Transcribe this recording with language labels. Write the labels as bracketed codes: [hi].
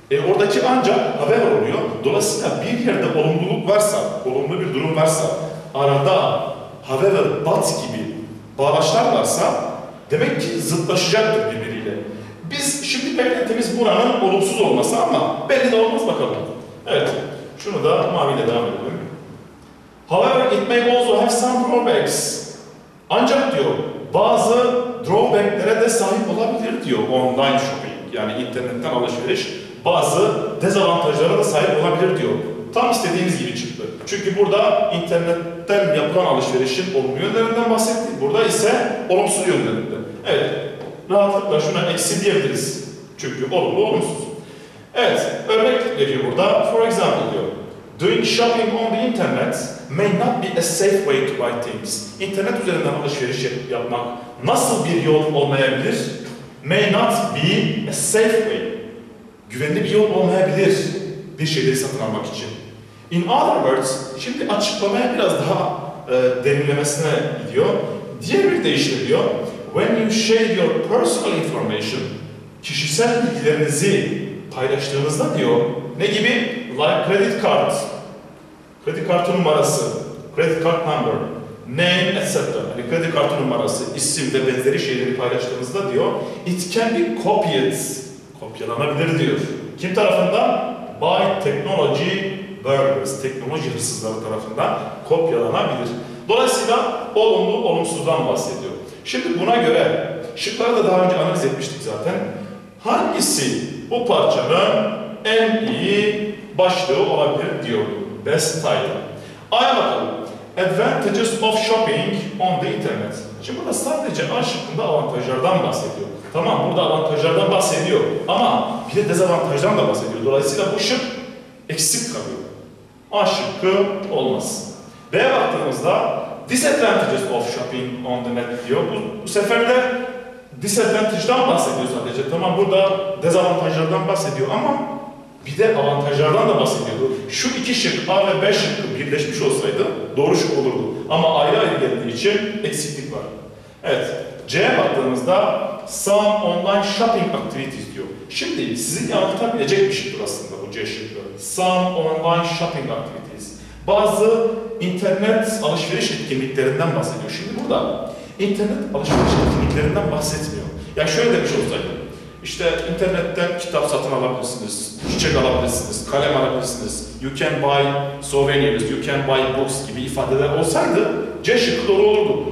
[tr] Oradaki ancak haber oluyor. Dolayısıyla bir yerde olumluluk varsa, olumlu bir durum varsa, arada however but gibi bağlaçlar varsa demek ki zıtlaşacaktır birbiriyle. Biz şimdi beklentimiz buranın olumsuz olması ama belli de olmaz bakalım. Evet, şunu da maviyle devam edelim. [en] However it may also have some drawbacks. [tr] Ancak diyor bazı drawbacklere de sahip olabilir diyor online shopping. Yani internetten alışveriş bazı dezavantajlara da sahip olabilir diyor. Tam istediğimiz gibi çıktı. Çünkü burada internetten yapılan alışverişin olumlu yönlerinden bahsettik. Burada ise olumsuz yönlerinden. Evet, rahatlıkla şuna eksi diyebiliriz. Çünkü olumlu, olumsuz. Evet, örnek veriyor burada. [en] For example diyor. Doing shopping on the internet may not be a safe way to buy things. [tr] İnternet üzerinden alışveriş yapmak nasıl bir yol olmayabilir? [en] May not be a safe way. [tr] Güvenli bir yol olmayabilir bir şeyleri satın almak için. [en] In other words, [tr] şimdi açıklamaya biraz daha derinlemesine gidiyor. Diğer bir deyişle diyor, [en] when you share your personal information, [tr] kişisel bilgilerinizi paylaştığınızda diyor, ne gibi? [en] Like credit card, [tr] kredi kartı numarası, [en] credit card number, name, etc. [tr] Yani kredi kartı numarası, isim ve benzeri şeyleri paylaştığınızda diyor, [en] it can be copied. [tr] Kopyalanabilir diyor. Kim tarafından? [en] By technology burglars, [tr] teknoloji hırsızları tarafından kopyalanabilir. Dolayısıyla olumlu, olumsuzdan bahsediyor. Şimdi buna göre, şıkları da daha önce analiz etmiştik zaten. Hangisi bu parçanın en iyi başlığı olabilir diyor. [en] Best title. [tr] Aya bakalım. [en] Advantages of shopping on the internet. [tr] Şimdi burada sadece A şıkkında avantajlardan bahsediyor. Tamam, burada avantajlardan bahsediyor ama bir de dezavantajdan da bahsediyor. Dolayısıyla bu şık eksik kalıyor. A şıkkı olmaz. B'ye baktığımızda [en] disadvantages of shopping on the net [tr] diyor. Bu sefer de disadvantage'dan bahsediyor sadece. Tamam, burada dezavantajlardan bahsediyor ama bir de avantajlardan da bahsediyordu. Şu iki şık, A ve B şıkkı birleşmiş olsaydı doğru şık olurdu. Ama ayrı ayrı geldiği için eksiklik var. Evet, C'ye baktığımızda [en] some online shopping activities [tr] diyor. Şimdi sizin yanıltabilecek bir şıktır aslında bu C şıkkı. [en] Some online shopping activities. [tr] Bazı internet alışveriş etkinliklerinden bahsediyor. Şimdi burada internet alışveriş etkinliklerinden bahsetmiyor. Yani şöyle demiş olsaydım. İşte internetten kitap satın alabilirsiniz, çiçek alabilirsiniz, kalem alabilirsiniz, [en] you can buy souvenirs, you can buy books [tr] gibi ifadeler olsaydı C şıkkı doğru olurdu.